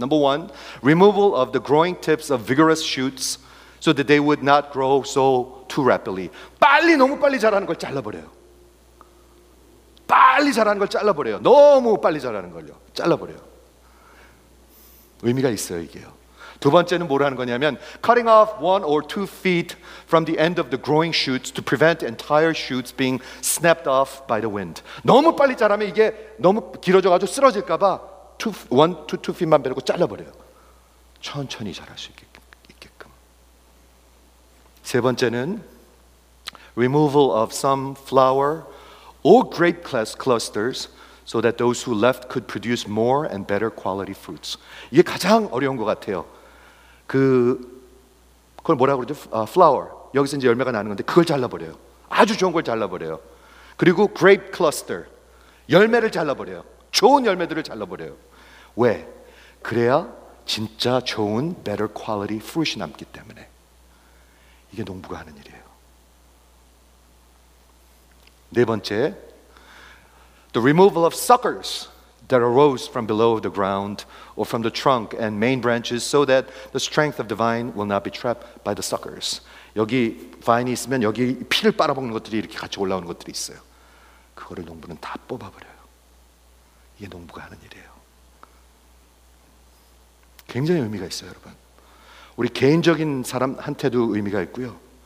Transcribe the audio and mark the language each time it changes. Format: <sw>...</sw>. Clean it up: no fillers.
<en>Number one, removal of the growing tips of vigorous shoots so that they would not grow so too rapidly.</en> <ko>빨리 너무 빨리 자라는 걸 잘라버려요. 빨리 자라는 걸 잘라버려요. 너무 빨리 자라는 걸요. 잘라버려요. 의미가 있어요, 이게요. 두 번째는 뭐라는 거냐면</ko> <en>cutting off one or two feet from the end of the growing shoots to prevent entire shoots being snapped off by the wind.</en> <ko>너무 빨리 자라면 이게 너무 길어져가지고 쓰러질까봐 one to two feet만 빼고 잘라버려요. 천천히 자랄 수 있게끔. 세 번째는</ko> <en>removal of some flower or grape clusters so that those who left could produce more and better quality fruits.</en> <ko>이게 가장 어려운 것 같아요. 그 그걸 뭐라고 그러죠?</ko> <en>Flower.</en> <ko>여기서 이제 열매가 나는 건데 그걸 잘라버려요. 아주 좋은 걸 잘라버려요. 그리고 grape cluster. 열매를 잘라버려요. 좋은 열매들을 잘라버려요. 왜? 그래야 진짜 좋은 better quality fruit이 남기 때문에. 이게 농부가 하는 일이에요. 네 번째,</ko> <en>the removal of suckers that arose from below the ground or from the trunk and main branches so that the strength of the vine will not be trapped by the suckers.</en> <ko>여기 vine 있으면 여기 피를 빨아먹는 것들이 이렇게 같이 올라오는 것들이 있어요. 그거를 농부는 다 뽑아버려요. 이게 농부가 하는 일이에요. 굉장히 의미가 있어요, 여러분. 우리 개인적인 사람한테도 의미가 있고요.</ko>